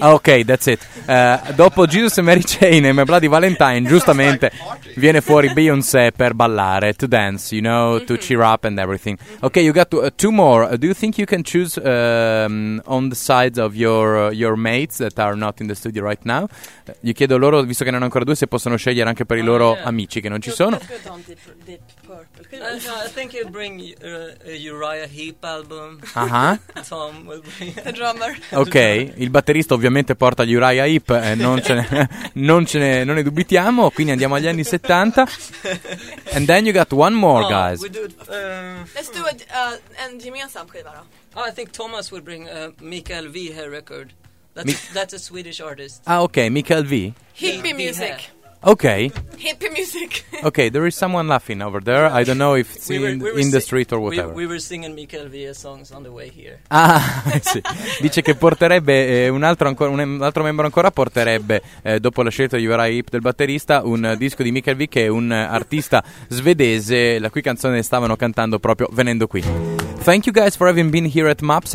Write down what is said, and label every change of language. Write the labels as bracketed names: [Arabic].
[English] Okay, that's it. Dopo Jesus and Mary Chain e My Bloody Valentine, [Italian] giustamente, [English] like [Italian] viene fuori [English] Beyoncé [Italian] per ballare, [English] to dance, you know, mm-hmm. to cheer up and everything. Mm-hmm. Okay, you got two more. Do you think you can choose on the sides of your mates that are not in the studio right now? [Italian] Gli chiedo loro, visto che non hanno ancora due, se possono scegliere anche per i loro amici che non ci sono. [English] I think you'll bring Uriah Heep album. Uh-huh. Tom will bring the drummer. [Italian] Ok, il batterista ovviamente porta gli Uriah Heep, non ne dubitiamo, quindi andiamo agli anni 70. [English] And then you got one more, guys. Let's do [Swedish] en gemensam skiva då. [English] I think Thomas will bring Mikael V Hair record. That's a Swedish artist. Ah, ok, Mikael V. Hippie music. Okay. Hippie music. Okay, there is someone laughing over there. I don't know if it's in the street or whatever. We were singing Mikael Via songs on the way here. [Italian] Ah, sì. Dice che porterebbe un altro membro ancora porterebbe dopo la scelta di Uriah Heep del batterista un disco di Mikael Via, che è un artista svedese la cui canzone stavano cantando proprio venendo qui. [English] Thank you guys for having been here at MAPS.